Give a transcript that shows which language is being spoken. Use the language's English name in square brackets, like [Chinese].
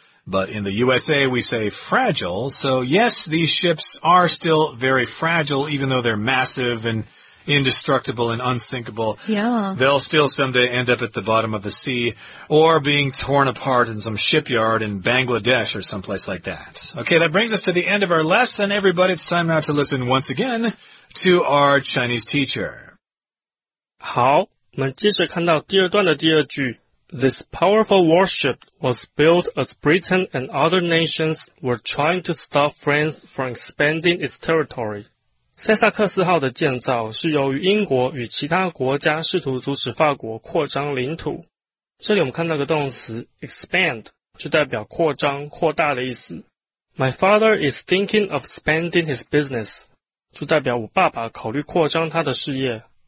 [English] But in the USA, we say fragile. So yes, these ships are still very fragile, even though they're massive and indestructible and unsinkable. Yeah. They'll still someday end up at the bottom of the sea or being torn apart in some shipyard in Bangladesh or someplace like that. Okay, that brings us to the end of our lesson, everybody. It's time now to listen once again to our Chinese teacher. [Chinese] 好，我们接着看到第二段的第二句。 [English] This powerful warship was built as Britain and other nations were trying to stop France from expanding its territory. [Chinese] 塞萨克斯号的建造是由于英国与其他国家试图阻止法国扩张领土。这里我们看到个动词 expand， 就代表扩张、扩大的意思。 [English] My father is thinking of expanding his business， [Chinese] 就代表我爸爸考虑扩张他的事业。